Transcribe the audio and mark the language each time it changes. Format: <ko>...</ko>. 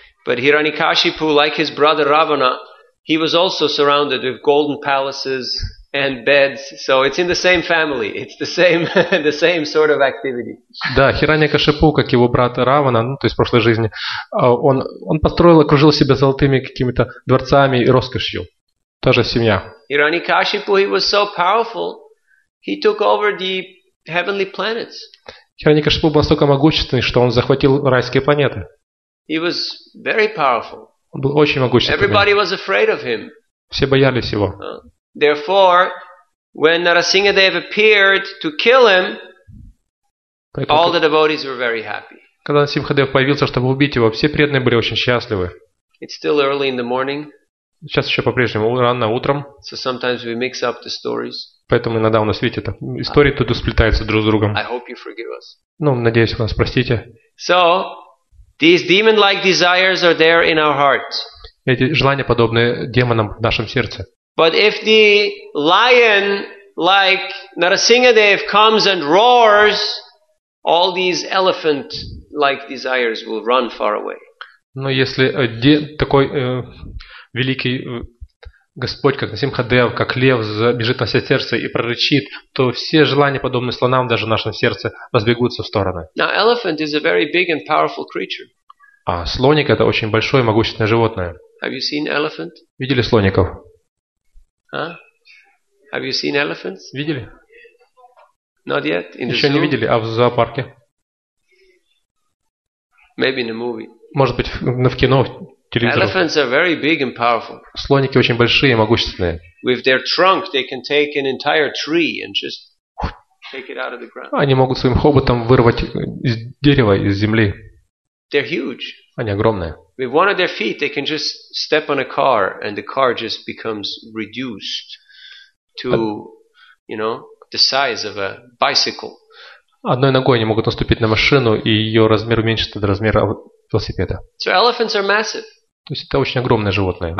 <en>But Hiranyakashipu, like his brother Ravana, he was also surrounded with golden palaces and beds, so it's in the same family. It's the same, the same sort of activity.</en> <ru>Да, Хираньякашипу, как его брат Равана, то есть в прошлой жизни, он построил, окружил себя золотыми какими-то дворцами и роскошью. Та же семья.</ru> <en>Hiranyakashipu, he was so powerful, he took over the heavenly planets.</en> <ru>Хираньякашипу был настолько могущественный, что он захватил райские планеты.</ru> <en>He was very powerful.</en> <ru>Он был очень могущественный.</ru> <en>Everybody was afraid of him.</en> <ru>Все боялись его.</ru> <en>Therefore, when Narasimhadev appeared to kill him, all the devotees were very happy.</en> <ru>Когда Нарасимхадев появился, чтобы убить его, все преданные были очень счастливы.</ru> <en>It's still early in the morning.</en> <ru>Сейчас еще по-прежнему рано утром.</ru> <en>So sometimes we mix up the stories.</en> <ru>Поэтому иногда у нас, видите, это истории тут сплетаются друг с другом.</ru> <en>I hope you forgive us.</en> <ru>Надеюсь, вы нас простите.</ru> <en>So these demon-like desires are there in our hearts.</en> <ru>Эти желания подобные демонам в нашем сердце.</ru> <en>But if the lion like Narasimhadev comes and roars, all these elephant like desires will run far away.</en> <ru>Но если такой великий Господь, как Нарасимхадев, как лев, забежит на все сердце и прорычит, то все желания, подобные слонам, даже в нашем сердце, разбегутся в стороны.</ru> <en>Now elephant is a very big and powerful creature.</en> <ru>А слоник это очень большое и могущественное животное.</ru> <en>Have you seen elephant?</en> <ru>Видели слоников?</ru> <en>Huh? Have you seen elephants?</en> <ru>Видели?</ru> <en>Not yet.</en> <ru>Еще не видели, а в зоопарке?</ru> <en>Maybe in a movie.</en> <ru>Может быть, в кино, в телевизор.</ru> <en>Elephants are very big and powerful.</en> <ru>Слоники очень большие и могущественные.</ru> <en>With their trunk, they can take an entire tree and just take it out of the ground.</en> <ru>Они могут своим хоботом вырвать дерево из земли.</ru> <en>They're huge.</en> <ru>Они огромные.</ru> <en>With one of their feet, they can just step on a car, and the car just becomes reduced to, you know, the size of a bicycle.</en> <ru>Одной ногой они могут наступить на машину, и ее размер уменьшится до размера велосипеда.</ru> <en>So elephants are massive.</en> <ru>То есть это очень огромное животное,</ru>